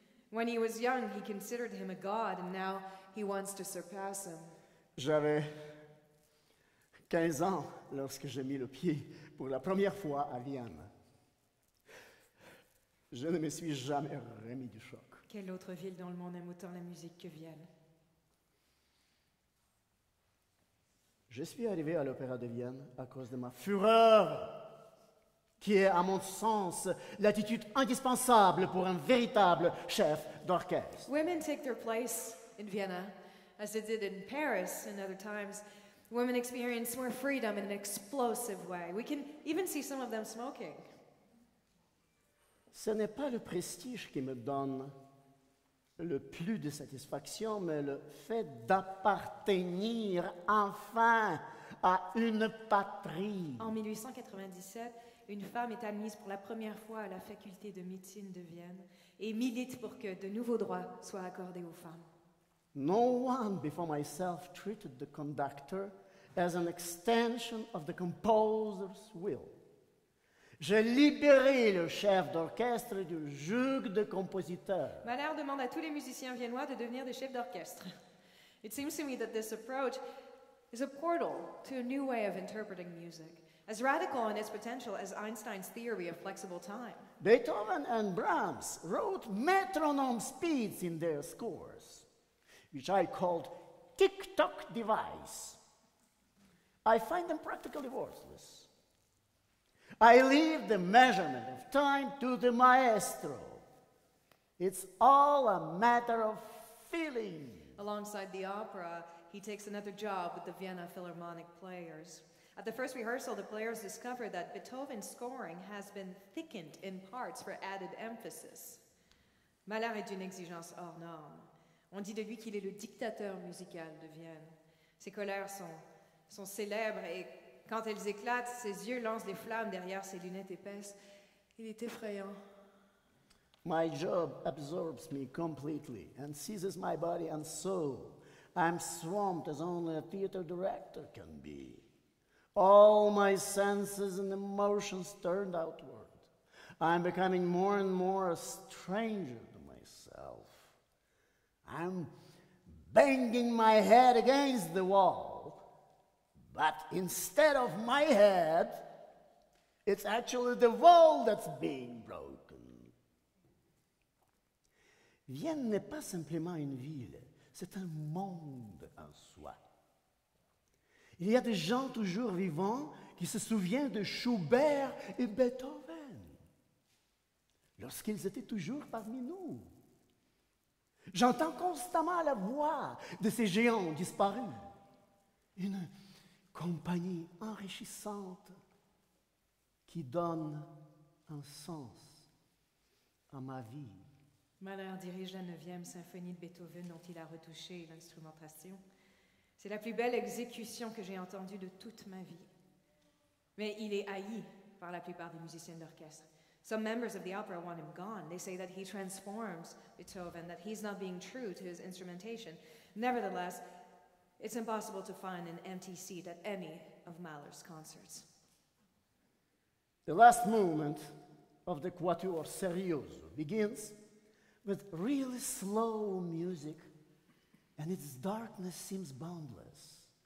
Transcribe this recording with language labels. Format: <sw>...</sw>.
<en>When he was young, he considered him a god, and now he wants to surpass him.</en> <fr>J'avais 15 ans lorsque j'ai mis le pied pour la première fois à Vienne. Je ne me suis jamais remis du choc. Quelle autre ville dans le monde aime autant la musique que Vienne? Je suis arrivé à l'opéra de Vienne à cause de ma fureur, qui est, à mon sens, l'attitude indispensable pour un véritable chef d'orchestre.</fr> <en>Women take their place in Vienna, as they did in Paris and other times. Women experience more freedom in an explosive way. We can even see some of them smoking.</en> <fr>Ce n'est pas le prestige qui me donne le plus de satisfaction, mais le fait d'appartenir enfin à une patrie. En 1897, une femme est admise pour la première fois à la faculté de médecine de Vienne et milite pour que de nouveaux droits soient accordés aux femmes.</fr> <en>No one before myself treated the conductor as an extension of the composer's will.</en> <fr>J'ai libéré le chef d'orchestre du joug de compositeur. Mahler demande à tous les musiciens viennois de devenir des chefs d'orchestre.</fr> <en>It seems to me that this approach is a portal to a new way of interpreting music, as radical in its potential as Einstein's theory of flexible time. Beethoven and Brahms wrote metronome speeds in their scores, which I called tick-tock device. I find them practically worthless. I leave the measurement of time to the maestro. It's all a matter of feeling. Alongside the opera, he takes another job with the Vienna Philharmonic players. At the first rehearsal, the players discover that Beethoven's scoring has been thickened in parts for added emphasis.</en> <fr>Mahler est d'une exigence hors norme. On dit de lui qu'il est le dictateur musical de Vienne. Ses colères sont célèbres et quand elles éclatent, ses yeux lancent des flammes derrière ses lunettes épaisses. Il est effrayant.</fr> <en>My job absorbs me completely and seizes my body and soul. I'm swamped as only a theater director can be. All my senses and emotions turned outward. I'm becoming more and more a stranger to myself. I'm banging my head against the wall. But instead of my head, it's actually the wall that's being broken.</en> <fr>Vienne n'est pas simplement une ville, c'est un monde en soi. Il y a des gens toujours vivants qui se souviennent de Schubert et Beethoven, lorsqu'ils étaient toujours parmi nous. J'entends constamment la voix de ces géants disparus. Une compagnie enrichissante qui donne un sens à ma vie. Mahler dirige la 9e symphonie de Beethoven dont il a retouché l'instrumentation. C'est la plus belle exécution que j'ai entendue de toute ma vie. Mais il est haï par la plupart des musiciens d'orchestre.</fr> <en>Some members of the opera want him gone. They say that he transforms Beethoven, that he's not being true to his instrumentation. Nevertheless, it's impossible to find an empty seat at any of Mahler's concerts. The last movement of the Quatuor Serioso begins with really slow music, and its darkness seems boundless.</en>